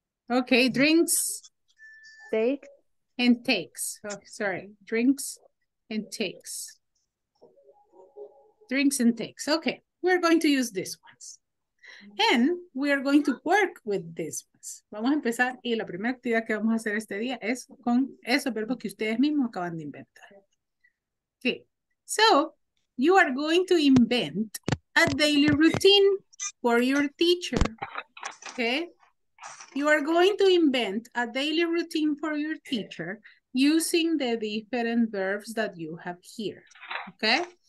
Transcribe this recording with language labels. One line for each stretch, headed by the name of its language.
English: Okay, drinks. Take. And takes. Oh, sorry. Drinks and takes. Drinks and takes. Okay. We're going to use these ones. And we are going to work with these ones.
Spanish: Vamos a empezar. Y la primera actividad que vamos a hacer este día es con esos verbos que ustedes mismos acaban de inventar.
English: Okay. So, you are going to invent a daily routine for your teacher. Okay. You are going to invent a daily routine for your teacher using the different verbs that you have here. Okay.